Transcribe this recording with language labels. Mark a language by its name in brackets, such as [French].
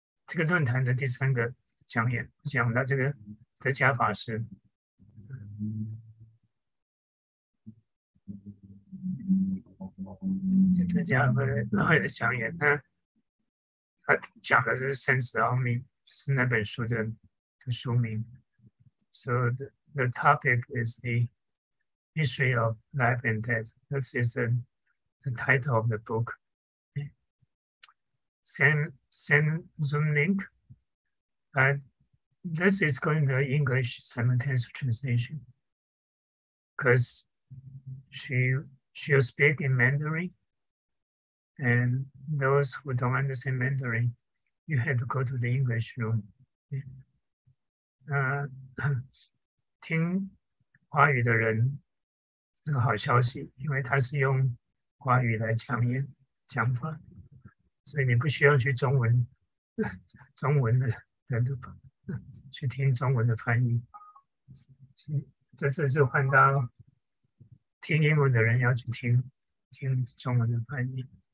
[Chinese] 这个论坛的第三个讲演，讲到这个德加法师。德加会的讲演，他讲的是生死奥秘，就是那本书的书名。 [English] So the topic is the history of life and death. This is the title of the book. Same Zoom link, but this is going to be English simultaneous translation because she'll speak in Mandarin. And those who don't understand Mandarin, you have to go to the English room. [Chinese] 听华语的人是个好消息，因为他是用华语来讲法。所以你不需要去中文的去听中文的翻译，这次是换到听英文的人要去听中文的翻译。